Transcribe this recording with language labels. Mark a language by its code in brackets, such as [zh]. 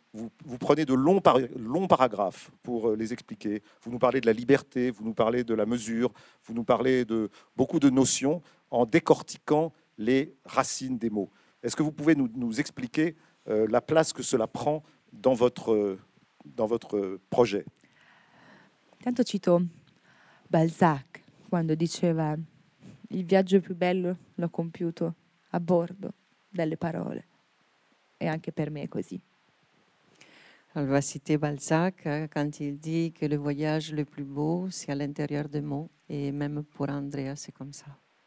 [fr] Vous prenez de longs paragraphes pour les expliquer. Vous nous parlez de la liberté, vous nous parlez de la mesure, vous nous parlez de beaucoup de notions en décortiquant les racines des mots. Est-ce que vous pouvez nous expliquer la place que cela prend dans votre projet? [it] Tanto cito Balzac, quando diceva il viaggio più bello l'ho compiuto a bordo delle parole. E anche per me è così. [fr] On va citer Balzac quand il dit que le voyage le plus beau, c'est à l'intérieur des mots. Et même pour Andrea, c'est comme ça.